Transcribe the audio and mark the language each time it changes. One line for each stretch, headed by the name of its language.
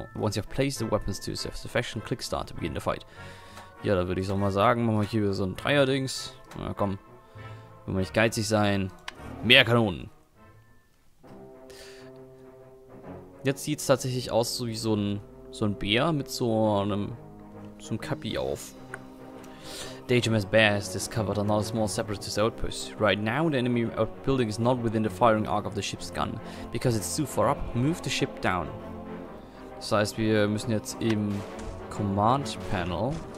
English: Once you have placed the weapons to satisfaction, click start to begin the fight.
German: Ja, da würde ich auch mal sagen, machen wir hier wieder so ein Dreierdings. Na komm, wenn wir nicht geizig sein, mehr Kanonen. Jetzt sieht es tatsächlich aus so wie so ein Bär mit so einem Kappi auf.
English: The HMS Bear has discovered another small separatist outpost. Right now the enemy building is not within the firing arc of the ship's gun. Because it's too far up, move the ship down.
German: Das heißt, wir müssen jetzt im Command Panel.